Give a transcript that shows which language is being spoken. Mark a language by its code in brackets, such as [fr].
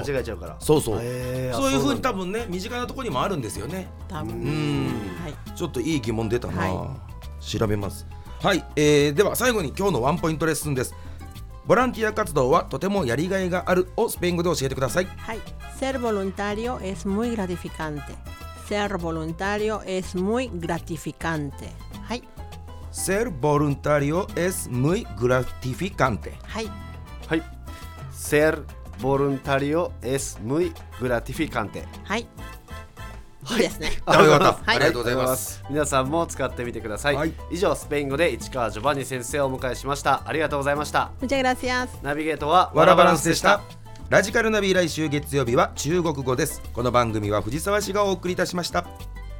[ja] 間違えちゃうから。そうそう。そういう風に多分ね、身近なところにもあるんですよね。多分。はい。ちょっといい疑問出たな。はい、調べます。はい、では最後に今日のワンポイントレッスンです。ボランティア活動はとてもやりがいがあるをスペイン語で教えてください。 [es] はい、ser voluntario es muy gratificante. Ser voluntario es muy gratificante. [ja] はい。 [es] ser voluntario es muy gratificante. [ja] はい。はい。 [es] ser voluntario es muy gratificante. [ja] はい。いいですね。はい、ありがとうございます。ありがとうございます。皆さんも使ってみてください。はい、以上、スペイン語で市川ジョバンニ先生をお迎えしました。ありがとうございました。 [es] Muchas gracias。 [ja] ナビゲートはワラバランスでした。ラジカルナビ、来週月曜日は中国語です。この番組は藤沢市がお送りいたしました。